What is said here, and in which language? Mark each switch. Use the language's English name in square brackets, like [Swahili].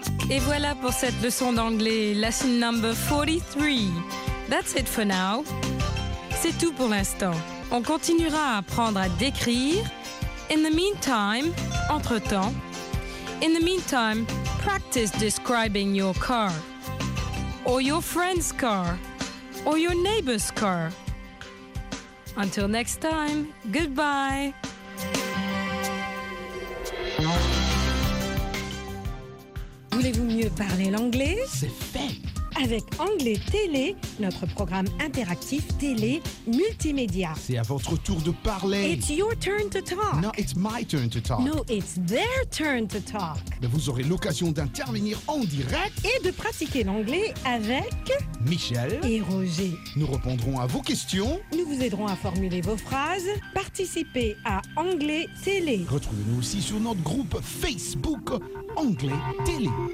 [French] Et voilà pour cette leçon d'anglais, [English] lesson number 43. That's it for now. [French] C'est tout pour l'instant. On continuera à apprendre à décrire. [English] In the meantime, [French] entre-temps. [English] In the meantime, practice describing your car. Or your friend's car. Or your neighbor's car. Until next time, goodbye. [French] Voulez-vous mieux parler l'anglais? C'est fait! Avec Anglais Télé, notre programme interactif télé multimédia. C'est à votre tour de parler. [English] It's your turn to talk. No, it's my turn to talk. No, it's their turn to talk. [French] Mais vous aurez l'occasion d'intervenir en direct. Et de pratiquer l'anglais avec... Michel. Et Roger. Nous répondrons à vos questions. Nous vous aiderons à formuler vos phrases. Participez à Anglais Télé. Retrouvez-nous aussi sur notre groupe Facebook Anglais Télé.